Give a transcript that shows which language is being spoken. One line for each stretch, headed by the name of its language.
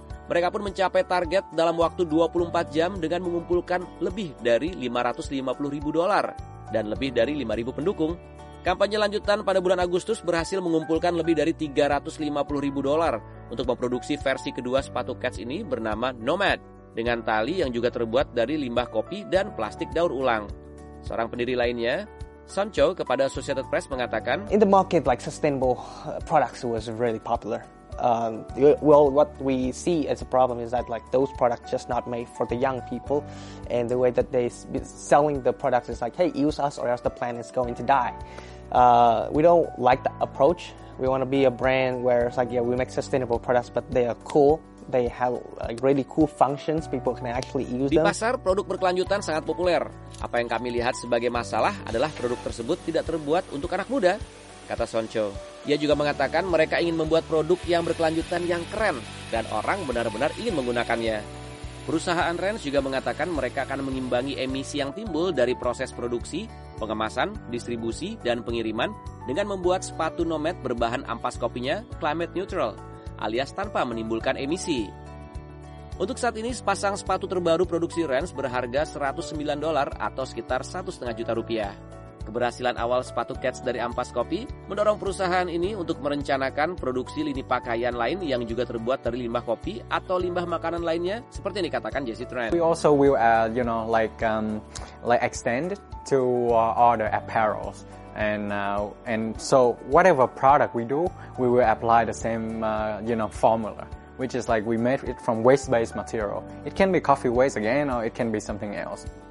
Indonesian: Mereka pun mencapai target dalam waktu 24 jam dengan mengumpulkan lebih dari $550,000 dan lebih dari 5.000 pendukung. Kampanye lanjutan pada bulan Agustus berhasil mengumpulkan lebih dari $350,000 untuk memproduksi versi kedua sepatu kets ini bernama Nomad, dengan tali yang juga terbuat dari limbah kopi dan plastik daur ulang. Seorang pendiri lainnya, Sancho, kepada Associated Press mengatakan,
English: "In the market, like sustainable products was really popular. What we see as a problem is that like those products just not made for the young people, and the way that they selling the products is like, hey, use us or else the planet is going to die. We don't like the approach. We want to be a brand where it's like, yeah, we make sustainable products, but they are cool. They have like really cool functions. People can actually use them."
Indonesian: Di pasar, produk berkelanjutan sangat populer. Apa yang kami lihat sebagai masalah adalah produk tersebut tidak terbuat untuk anak muda, kata Sancho. Ia juga mengatakan mereka ingin membuat produk yang berkelanjutan yang keren dan orang benar-benar ingin menggunakannya. Perusahaan Rens juga mengatakan mereka akan mengimbangi emisi yang timbul dari proses produksi, pengemasan, distribusi, dan pengiriman dengan membuat sepatu Nomad berbahan ampas kopinya
English: climate neutral,
Indonesian: alias tanpa menimbulkan emisi. Untuk saat ini, sepasang sepatu terbaru produksi Rens berharga $109 atau sekitar 1,5 juta rupiah. Keberhasilan awal sepatu kets dari ampas kopi mendorong perusahaan ini untuk merencanakan produksi lini pakaian lain yang juga terbuat dari limbah kopi atau limbah makanan lainnya, seperti yang dikatakan Jesse Tran.
English: "We also will like extend to other apparels. And so whatever product we do, we will apply the same formula, which is like we made it from waste-based material. It can be coffee waste again or it can be something else."